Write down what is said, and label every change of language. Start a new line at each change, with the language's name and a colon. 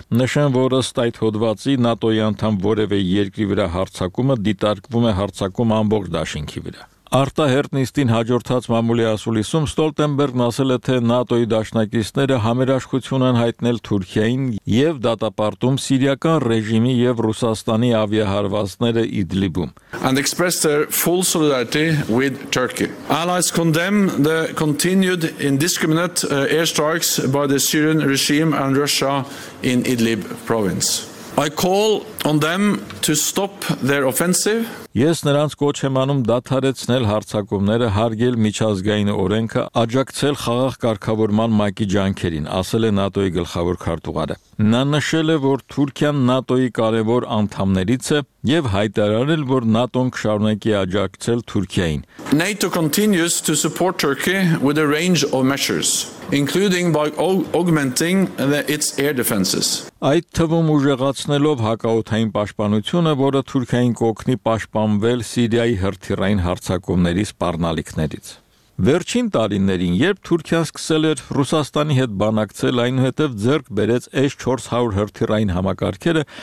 Armenian: Նշեմ, որ ըստ այդ հոդվածի ՆԱՏՕ-ի անդամ որևէ երկրի վրա հարձակումը դիտարկվում է հարձակում ամբողջ դաշինքի վրա։ Արտահերթ նիստին հաջորդած մամուլի ասուլիսում Ստոլտենբերգն ասել է, թե ՆԱՏՕ-ի դաշնակիցները համերաշխություն են հայտնել Թուրքիային և դատապարտում սիրիական ռեժիմի և Ռուսաստանի ավիահարվածները Իդլիբում։
English: And expressed their full solidarity with Turkey. Allies condemn the continued indiscriminate airstrikes by the Syrian regime and Russia in Idlib province. I call on them to stop their offensive.
Armenian: Ես նրանց կոչ եմ անում դադարեցնել հարձակումները, հարգել միջազգային օրենքը, աջակցել խաղաղ կարգավորման մակի ջանքերին, ասել է ՆԱՏՕ-ի գլխավոր քարտուղարը։ Նա նշել է, որ Թուրքիան ՆԱՏՕ-ի կարևոր անդամներից է և հայտարարել, որ ՆԱՏՕ-ն կշարունակի աջակցել Թուրքիային։
English: NATO continues to support Turkey with a range of measures, including by augmenting its air defenses.
Armenian: Այդ թվում ուժեղացնելով հակաօդային պաշտպանությունը, որը Թուրքիային կօգնի պաշտպանվել Սիրիայի հրթիռային հարձակումների սպառնալիքներից։ Վերջին տարիներին, երբ Թուրքիան սկսել էր Ռուսաստանի հետ բանակցել, այնուհետև ձեռք բերեց S-400 հրթիռային համակարգերը,